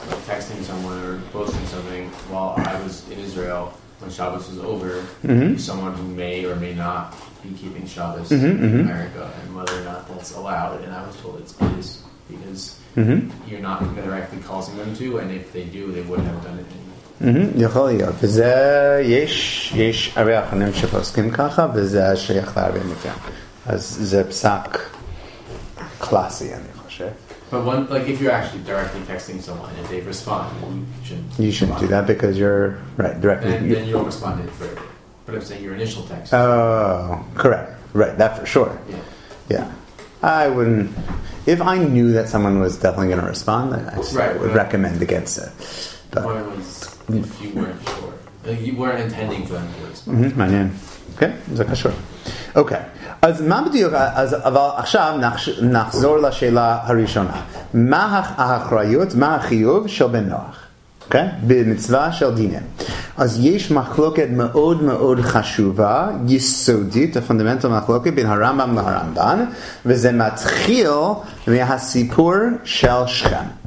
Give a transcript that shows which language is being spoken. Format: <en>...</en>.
<en>texting someone or posting something while I was in Israel when Shabbos was over, someone who may or may not be keeping Shabbos in America, and whether or not that's allowed. And I was told it's peace because you're not directly causing them to, and if they do, they wouldn't have done it anyway.</en> <he>יכול להיות, וזה יש הרבה אחרים שפוסקים ככה, וזה שייך להרבה מכם. אז זה פסק קלאסי, אני חושב.</he> <en>But one, like if you're actually directly texting someone and they respond, then you shouldn't do that because you're right directly. And then you don't respond it further. But I'm saying your initial text. Correct. Right, that for sure. Yeah. I wouldn't. If I knew that someone was definitely going to respond, then I would recommend against it. But one was if you weren't sure. Like you weren't intending for them to respond. Mm-hmm.</en> <he>Okay, זה קשור. אוקיי, אז מה בדיוק, אבל עכשיו נחזור לשאלה הראשונה. מה האחריות, מה החיוב של בן נוח? Okay? במצווה של דינים. אז יש מחלוקת מאוד מאוד חשובה, יסודית, הפונדמנטל מחלוקת בין הרמב״ם לרמב״ן, וזה מתחיל מהסיפור של שכם.</he>